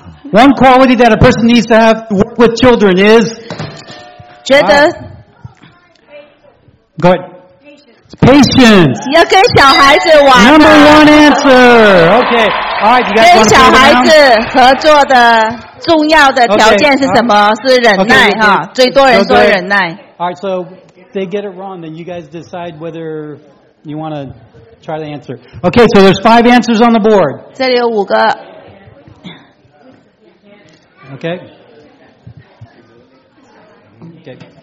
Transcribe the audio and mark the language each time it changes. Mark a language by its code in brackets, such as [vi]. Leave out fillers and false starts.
[en] One quality that a person needs to have to work with children is? Go ahead. Patience. [zh] 要跟小孩子玩。 [en] Number one answer. Okay. All right. You guys want to play around? [zh] 跟小孩子合作的。重要的条件是什么？是忍耐，哈，最多人说忍耐。 [en] All right, so they get it wrong, then you guys decide whether you want to try the answer. Okay, so there's five answers on the board. [zh] 这里有五个。 [en] Okay. Okay.